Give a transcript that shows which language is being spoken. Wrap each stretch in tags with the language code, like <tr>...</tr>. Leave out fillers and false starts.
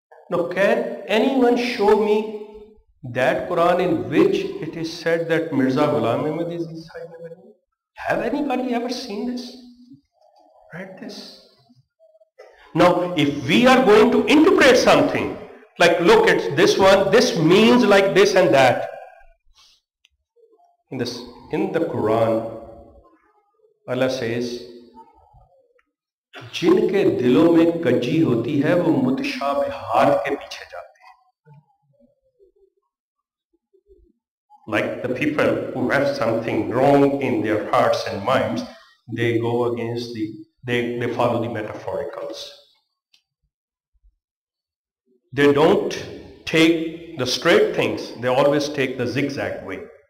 <en>Now, can anyone show me that Quran in which it is said that Mirza Ghulam Ahmed is Isa ibn Maryam? Have anybody ever seen this? Read this? Now, if we are going to interpret something, like look at this one, this means like this and that. In the Quran, Allah says,</en> <hi>जिनके दिलों में कज्जी होती है वो मुतशाबिहात के पीछे जाते हैं.</hi> <en>Like the people who have something wrong in their hearts and minds, they go against the, they follow the metaphoricals. they don't take the straight things, they always take the zigzag way.</en>